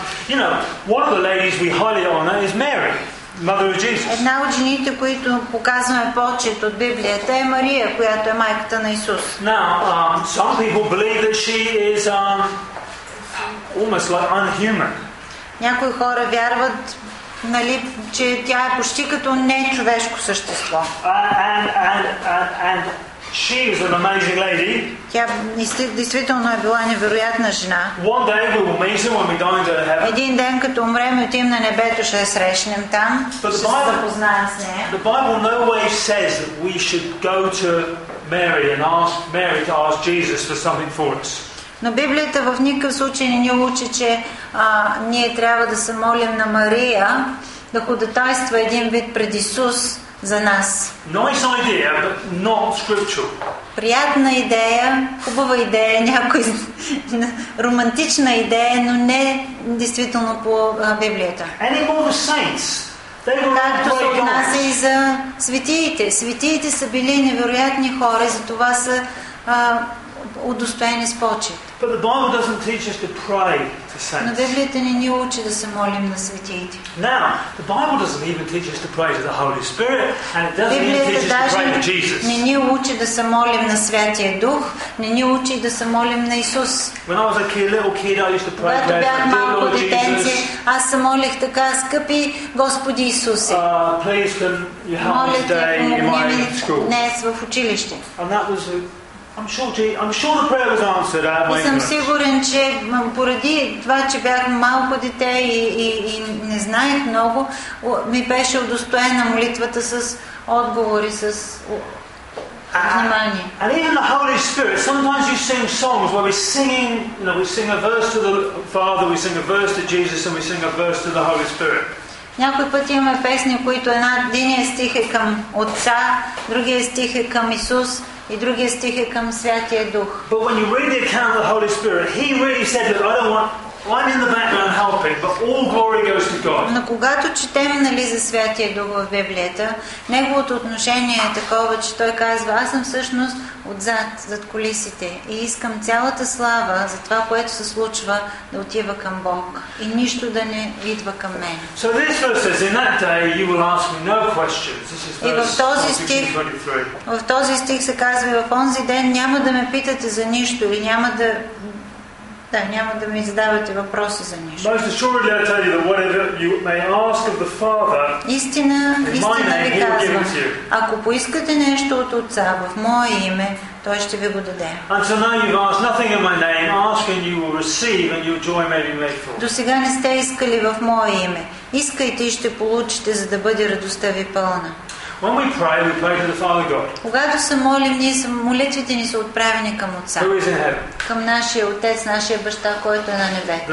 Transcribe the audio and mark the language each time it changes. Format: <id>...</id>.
<en>You know, one of the ladies we highly honor is Mary, mother of Jesus.</en> <bg>Една от жените, които показваме почет от Библията, е Мария, която е майката на Исус.</bg> <en>Now, some people believe that she is almost like unhuman.</en> <bg>Някои хора вярват, нали, че тя е почти като нечовешко същество.</bg> <en>And She is an amazing lady.</en> <bg>Тя действително е била невероятна жена.</bg> <en>One day we will meet her when we go into heaven.</en> <bg>Един ден като умрем и отидем на небето, ще срещнем там. Ще се запознаем с нея.</bg> <en>The Bible nowhere says that we should go to Mary and ask Mary to ask Jesus for something for us.</en> <bg>Но Библията в никакъв случай не ни учи, че ние трябва да се молим на Мария да ходатайства един вид пред Исус за нас.</bg> <en>Nice idea, but not scriptural.</en> <bg>Приятна идея, хубава идея, някой романтична идея, но не действително по Библията.</bg> <en>Any more the saints?</en> <bg>Както се отнася и за светиите. Светиите са били невероятни хора и затова са удостоени с почет.</bg> <en>But the Bible doesn't teach us to pray to saints.</en> <bg>Но Библията не ни учи да се молим на светиите.</bg> <en>Now, the Bible doesn't even teach us to pray to the Holy Spirit, and it doesn't even teach us to pray to Jesus.</en> <bg>Не ни учи да се молим на Святия Дух, не ни учи да се молим на Исус.</bg> <en>When I was a little kid, I used to pray to the Lord Jesus.</en> <bg>Аз се молих така, скъпи Господи Исусе.</bg> <en>Please can you help me today in my school?</en> <bg>Днес в училище.</bg> <en>And that was I'm sure the prayer was answered.</en> <bg>И съм сигурен, че поради това, че бях малко дете и не знаех много, ми беше удостоена молитвата с отговори, с внимание.</bg> <en>And even the Holy Spirit, sometimes you sing songs where we sing a verse to the Father, we sing a verse to Jesus, and we sing a verse to the Holy Spirit.</en> <bg>Някой път имаме песни, които единия стих е към Отца, другия стих е към Исус, и другия стих е към Святия Дух.</bg> <en>But when you read the account of the Holy Spirit, he really said that I'm in the background helping, but all glory goes to God.</en> <bg>Но когато четем за Святия Дух в Библията, неговото отношение е такова, че той казва: аз съм всъщност отзад, зад колисите, и искам цялата слава за това, което се случва, да отива към Бог и нищо да не идва към мен.</bg> <en>So this verse says, in that day you will ask me no questions. This is verse 23.</en> <bg>В този стих се казва: в онзи ден няма да ме питате за нищо или няма да ми задавате въпроси за нищо.</bg> <en>Most assuredly I tell you that whatever you may ask of the Father,</en> <bg>истина ви казвам, ако поискате нещо от Отца в мое име, той ще ви го даде.</bg> <en>And so now you've asked nothing in my name, ask and you will receive, and your joy may be made full.</en> <bg>До сега не сте искали в мое име. Искайте и ще получите, за да бъде радостта ви пълна.</bg> <en>When we pray, we pray to the Father God.</en> <bg>Когато се молим, молитвите ни са отправени към Отца.</bg> <en>Who is in heaven?</en> <bg>Към нашия Отец, нашия Баща, който е на небето.</bg>